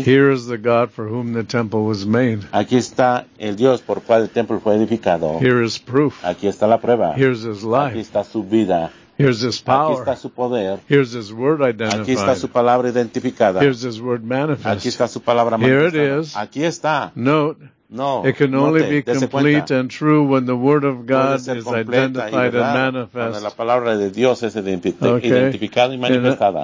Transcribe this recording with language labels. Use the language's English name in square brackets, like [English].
[English] Here is the God for whom the temple was made. [Spanish] Aquí está el Dios por cual el templo fue edificado. [English] Here is proof. [Spanish] Aquí está la prueba. [English] Here's his life. [Spanish] Aquí está su vida. [English] Here's his power. [Spanish] Aquí está su poder. [English] Here's his word identified. [Spanish] Aquí está su palabra identificada. [English] Here's his word manifest. [Spanish] Aquí está su palabra manifestada. [English] Here it is. [Spanish] Aquí está. [English] Note. No, it can only be complete and true when the Word of God is identified and manifest. [Spanish] La palabra de Dios es identificada y manifestada.